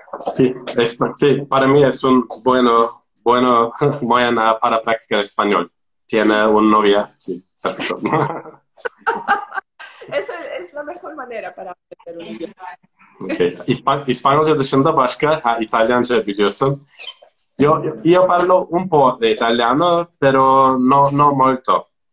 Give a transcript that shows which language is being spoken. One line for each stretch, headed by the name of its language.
Spanish: Sí, sí, para mí es un buena para practicar español. Tiene una novia, sí, perfecto. Es la mejor manera para aprender un idioma. Okay.
Turkish: İspanyolca dışında başka, ha, İtalyanca biliyorsun.
Italian: Yo parlo un poco de italiano, pero no molto.